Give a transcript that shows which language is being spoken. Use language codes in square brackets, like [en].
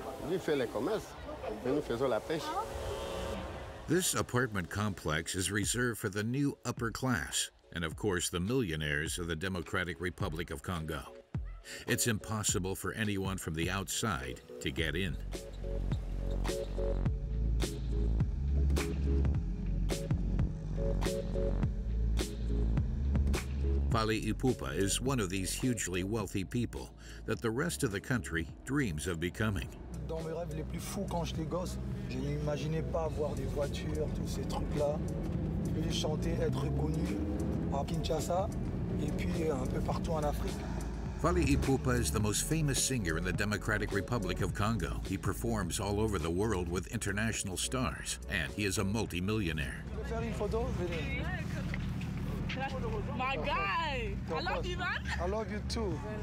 [fr] Ils font le commerce, mais nous faisons la pêche. [en] This apartment complex is reserved for the new upper class, and of course the millionaires of the Democratic Republic of Congo. It's impossible for anyone from the outside to get in. Fali Ipupa is one of these hugely wealthy people that the rest of the country dreams of becoming. [fr] Dans mes rêves les plus fous quand j'étais gosse, je n'imaginais pas avoir des voitures, tous ces trucs-là. Et chanter, être reconnu à Kinshasa et puis un peu partout en Afrique. [en] Fali Ipupa is the most famous singer in the Democratic Republic of Congo. He performs all over the world with international stars, and he is a multi-millionaire. [fr] Faire une photo, venez. [en] My guy! I love you, man! I love you too.